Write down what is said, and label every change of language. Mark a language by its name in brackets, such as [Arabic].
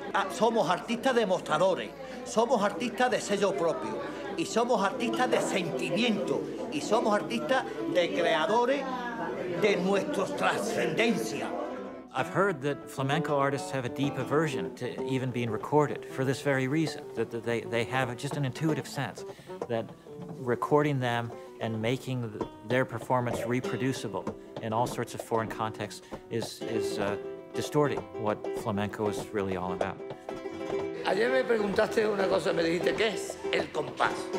[Spanish] Somos artistas demostradores, somos artistas de sello propio, y somos artistas de sentimiento, y somos artistas de creadores de nuestras trascendencias. [English] I've heard that flamenco artists have a deep aversion to even being recorded for this very reason, that they have just an intuitive sense that recording them and making their performance reproducible in all sorts of foreign contexts is distorting what flamenco is really all about. [Spanish] Ayer me preguntaste una cosa, me dijiste, ¿qué es el compás?